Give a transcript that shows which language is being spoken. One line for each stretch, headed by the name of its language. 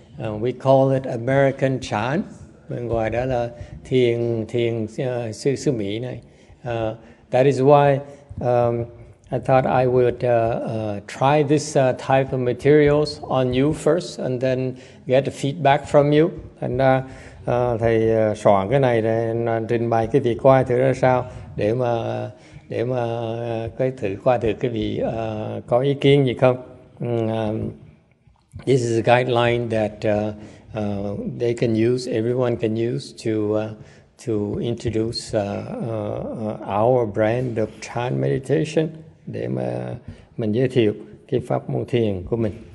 English: We call it American Chan.
Vietnamese: Bên ngoài đó là thiền sư Mỹ này.
English: That is why I thought I would try this type of materials on you first and then get the feedback from you.
Vietnamese: And thầy soạn cái này để trình bày cái việc qua thử ra sao để mà cái thử qua thử cái vị có ý kiến gì không.
English: This is a guideline that they can use, everyone can use to introduce our brand of chan meditation,
Vietnamese: để mà mình giới thiệu cái pháp môn thiền của mình.